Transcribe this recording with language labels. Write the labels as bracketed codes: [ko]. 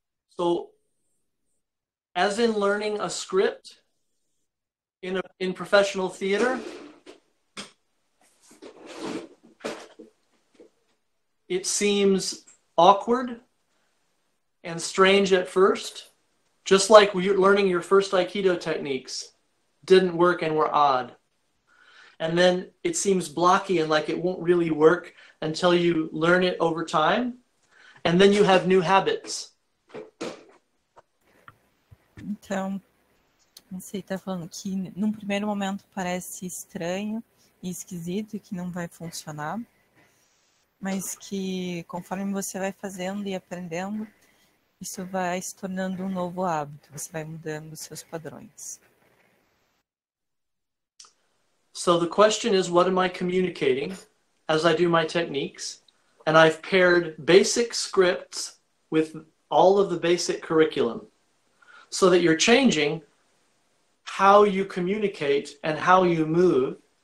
[en] So, as in learning a script in professional theater, it seems awkward and strange at first, just like you're learning your first Aikido techniques. Didn't work and were odd. And then it seems blocky and like it won't really work until you learn it over time. And then you have new habits. [pt] Então, você tá falando que num primeiro momento parece estranho e esquisito e que não vai funcionar. Mas que conforme você vai fazendo e aprendendo, isso vai se tornando novo hábito. Você vai mudando seus padrões. [en] So the question is, what am I communicating as I do my techniques? And I've paired basic scripts with all of the basic curriculum so that you're changing how you communicate and how you move.